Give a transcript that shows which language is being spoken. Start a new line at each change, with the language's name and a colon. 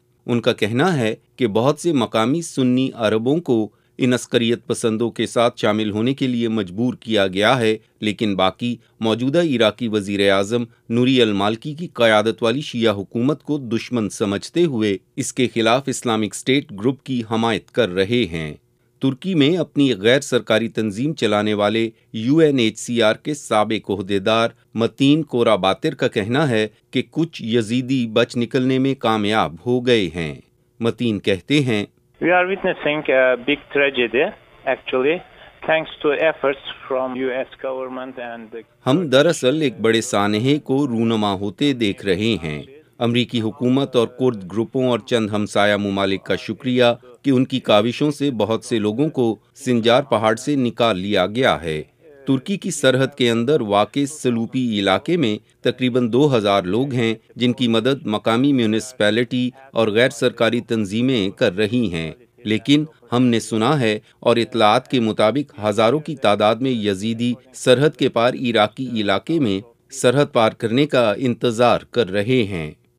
Urdu: ان کا کہنا ہے کہ بہت سے مقامی سنی عربوں کو ان عسکریت پسندوں کے ساتھ شامل ہونے کے لیے مجبور کیا گیا ہے، لیکن باقی موجودہ عراقی وزیر اعظم نوری المالکی کی قیادت والی شیعہ حکومت کو دشمن سمجھتے ہوئے اس کے خلاف اسلامک اسٹیٹ گروپ کی حمایت کر رہے ہیں۔ ترکی میں اپنی غیر سرکاری تنظیم چلانے والے you N H C R کے سابق عہدیدار متین کورا باتر کا کہنا ہے کہ کچھ یزیدی بچ نکلنے میں کامیاب ہو گئے ہیں۔ متین کہتے ہیں،
English: We are witnessing a big tragedy, actually, thanks to efforts from US government and the...
Urdu: ہم دراصل ایک بڑے سانحے کو رونما ہوتے دیکھ رہے ہیں۔ امریکی حکومت اور کرد گروپوں اور چند ہمسایہ ممالک کا شکریہ کہ ان کی کاوشوں سے بہت سے لوگوں کو سنجار پہاڑ سے نکال لیا گیا ہے۔ ترکی کی سرحد کے اندر واقع سلوپی علاقے میں تقریباً 2000 لوگ ہیں جن کی مدد مقامی میونسپیلٹی اور غیر سرکاری تنظیمیں کر رہی ہیں، لیکن ہم نے سنا ہے اور اطلاعات کے مطابق ہزاروں کی تعداد میں یزیدی سرحد کے پار عراقی علاقے میں سرحد پار کرنے کا انتظار کر رہے ہیں۔